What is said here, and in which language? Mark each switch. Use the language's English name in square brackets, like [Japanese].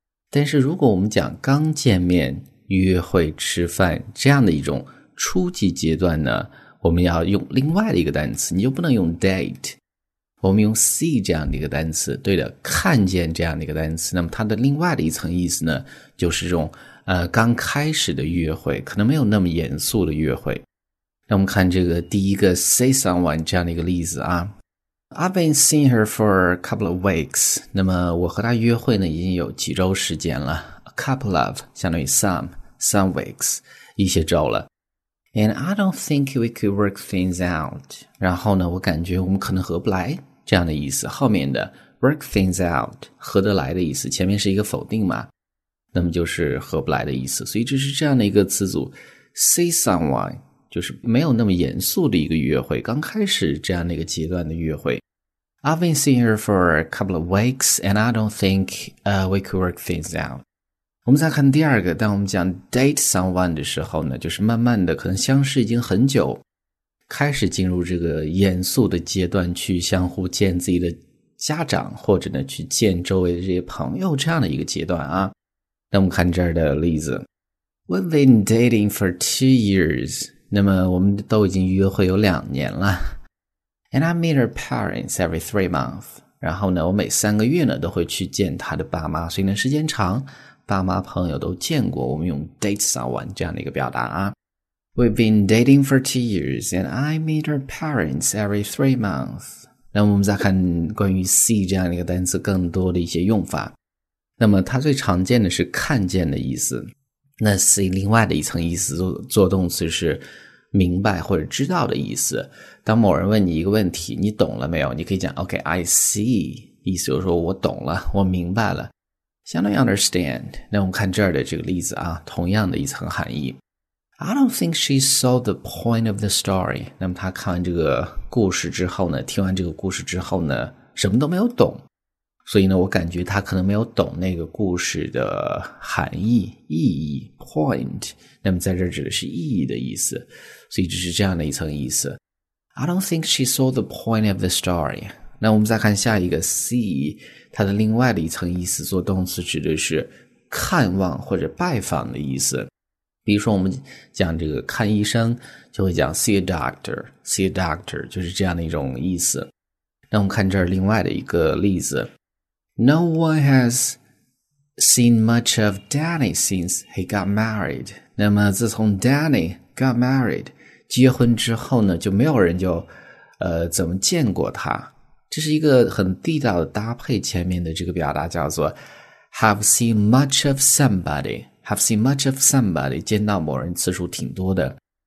[Chinese] 但是如果我们讲刚见面、约会、吃饭这样的一种初级阶段呢，我们要用另外的一个单词，你就不能用 date， 我们用 see 这样的一个单词，对的，看见这样的一个单词。那么它的另外的一层意思呢，就是这种刚开始的约会，可能没有那么严肃的约会。那我们看这个第一个 see someone 这样的一个例子啊。 [English] I've been seeing her for a couple of weeks. [Chinese] 那么我和她约会呢已经有几周时间了。 A couple of, 相当于 some weeks, 一些周了。 [English] And I don't think we could work things out. [Chinese] 然后呢我感觉我们可能合不来这样的意思。后面的 work things out, 合得来的意思，前面是一个否定嘛。那么就是合不来的意思。所以这是这样的一个词组 see someone。就是没有那么严肃的一个约会，刚开始这样的一个阶段的约会。 [English] I've been seeing her for a couple of weeks and I don't think we could work things out. [Chinese] 我们再看第二个，当我们讲 date someone 的时候呢，就是慢慢的可能相识已经很久，开始进入这个严肃的阶段，去相互见自己的家长，或者呢去见周围的这些朋友这样的一个阶段啊。那我们看这儿的例子。 [English] We've been dating for 2 years. [Chinese] 那么我们都已经约会有2年了。 [English] And I meet her parents every 3 months. [Chinese] 然后呢我每3个月呢都会去见她的爸妈，所以呢时间长爸妈朋友都见过，我们用 date someone 这样的一个表达啊。 [English] We've been dating for 2 years and I meet her parents every 3 months. [Chinese] 那么我们再看关于 see 这样的一个单词更多的一些用法。那么它最常见的是看见的意思。那 see 另外的一层意思，做动词是明白或者知道的意思。当某人问你一个问题，你懂了没有？你可以讲 OK, I see, 意思就是说我懂了，我明白了，相当于 understand。那我们看这儿的这个例子啊，同样的一层含义。 [English] I don't think she saw the point of the story. [Chinese] 那么他看完这个故事之后呢，听完这个故事之后呢，什么都没有懂，所以呢我感觉他可能没有懂那个故事的含义、意义 point。那么在这指的是意义的意思，所以只是这样的一层意思。 [English] I don't think she saw the point of the story。 [Chinese] 那我们再看下一个 see， 它的另外的一层意思，做动词指的是看望或者拜访的意思。比如说我们讲这个看医生，就会讲 see a doctor， see a doctor 就是这样的一种意思。那我们看这儿另外的一个例子。 [English] No one has seen much of Danny since he got married. [Chinese] 那么自从 Danny got married, 结婚之后呢，就没有人就怎么见过他。这是一个很地道的搭配，前面的这个表达叫做 have seen much of somebody, have seen much of somebody, 见到某人次数挺多的。